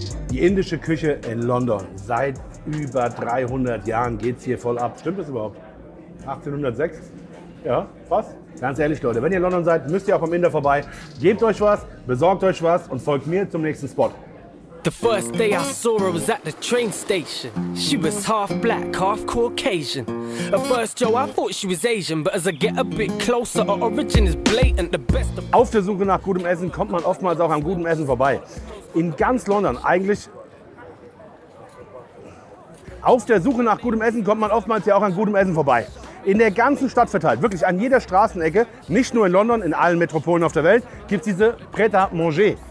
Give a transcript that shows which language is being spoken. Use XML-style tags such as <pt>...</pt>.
<de>Die indische Küche in London. Seit über 300 Jahren geht es hier voll ab. Stimmt das überhaupt? 1806? Ja, fast. Ganz ehrlich, Leute, wenn ihr in London seid, müsst ihr auch am Inder vorbei. Gebt euch was, besorgt euch was und folgt mir zum nächsten Spot.</de> <en>The first day I saw her was at the train station. She was half black, half Caucasian. At first, yo, I thought she was Asian, but as I get a bit closer, her origin is blatant. The best of</en> <de>Auf der Suche nach gutem Essen kommt man oftmals auch am guten Essen vorbei. In ganz London, eigentlich. Auf der Suche nach gutem Essen kommt man oftmals ja auch an gutem Essen vorbei. In der ganzen Stadt verteilt, wirklich an jeder Straßenecke, nicht nur in London, in allen Metropolen auf der Welt, gibt es diese Prêt-à-manger.</de>